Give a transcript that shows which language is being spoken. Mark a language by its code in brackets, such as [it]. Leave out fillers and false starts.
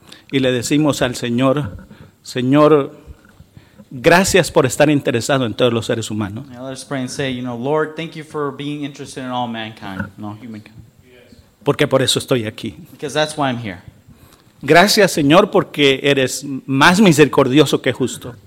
[es] Y le decimos al Señor, Señor, gracias por estar interesado en todos los seres humanos. [en] Now let's pray and say, you know, Lord, thank you for being interested in all mankind, in all humankind. Yes. [es] Porque por eso estoy aquí. [en] Because that's why I'm here. [es] Gracias, Señor, porque eres más misericordioso que justo.